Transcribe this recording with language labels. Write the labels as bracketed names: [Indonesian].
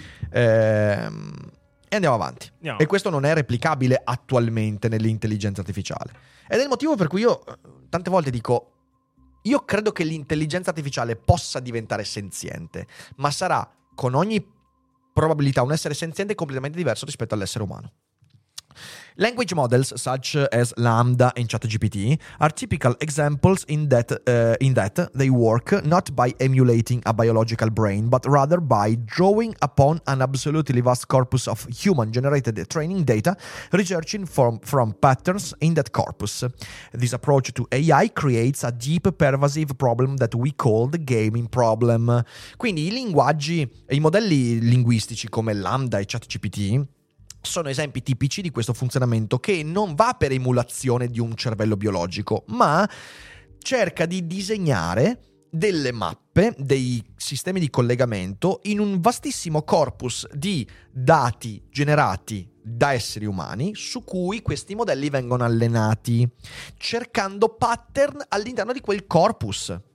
[Italian] E andiamo avanti. No. E questo non è replicabile attualmente nell'intelligenza artificiale. Ed è il motivo per cui io tante volte dico: Io credo che l'intelligenza artificiale possa diventare senziente, ma sarà con ogni probabilità un essere senziente completamente diverso rispetto all'essere umano. [English] Language models such as Lambda and ChatGPT are typical examples in that they work not by emulating a biological brain, but rather by drawing upon an absolutely vast corpus of human-generated training data, researching from patterns in that corpus. This approach to AI creates a deep, pervasive problem that we call the gaming problem. [Italian] Quindi i linguaggi, i modelli linguistici come Lambda e ChatGPT sono esempi tipici di questo funzionamento che non va per emulazione di un cervello biologico, ma cerca di disegnare delle mappe, dei sistemi di collegamento in un vastissimo corpus di dati generati da esseri umani su cui questi modelli vengono allenati, cercando pattern all'interno di quel corpus.